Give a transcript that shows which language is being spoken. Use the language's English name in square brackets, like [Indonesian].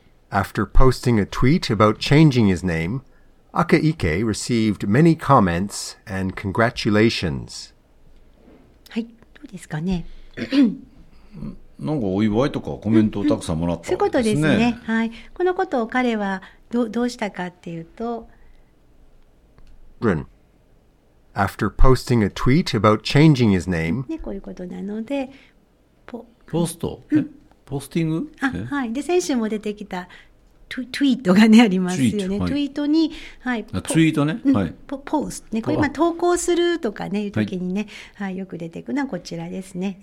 [English] After posting a tweet about changing his name, Akiike received many comments and congratulations. [Japanese] はい、どうですかね。なんかお祝いとかコメントをたくさんもらったわけですね。そういうことですね。はい、このことを彼はどうしたかっていうと、 [English] After posting a tweet about changing his name. [Japanese] ね、こういうことなので。ポスト、ポスティング、あ、はい、で先週も出てきたツイートが、ね、ありますよね。ツイートに、はい、ツイートね、はい、ポーストね、これ、まあ、投稿するとかね、いう時にね、はいはい、よく出てくるのはこちらですね。